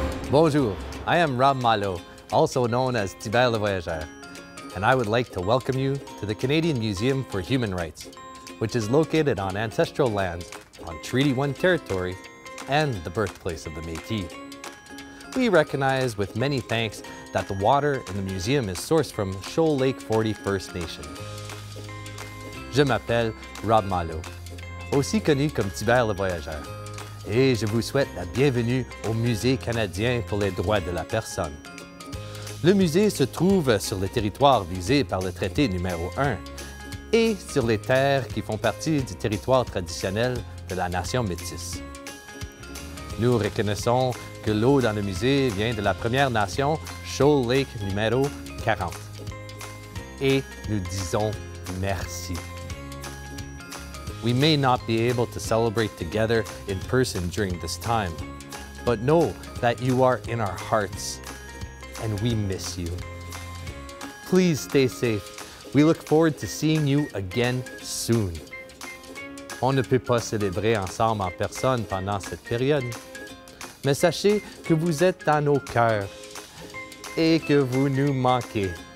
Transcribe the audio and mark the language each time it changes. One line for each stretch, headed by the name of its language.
English: Bonjour, I am Rob Malo, also known as TiBert le Voyageur, and I would like to welcome you to the Canadian Museum for Human Rights, which is located on ancestral lands on Treaty 1 territory and the birthplace of the Métis. We recognize with many thanks that the water in the museum is sourced from Shoal Lake 40 First Nation.
French: Je m'appelle Rob Malo, aussi connu comme TiBert le Voyageur. Et je vous souhaite la bienvenue au Musée canadien pour les droits de la personne. Le musée se trouve sur le territoire visé par le traité numéro 1 et sur les terres qui font partie du territoire traditionnel de la nation métisse. Nous reconnaissons que l'eau dans le musée vient de la première nation, Shoal Lake numéro 40. Et nous disons merci.
English: We may not be able to celebrate together in person during this time, but know that you are in our hearts and we miss you. Please stay safe. We look forward to seeing you again soon.
French: On ne peut pas célébrer ensemble en personne pendant cette période, mais sachez que vous êtes dans nos cœurs et que vous nous manquez.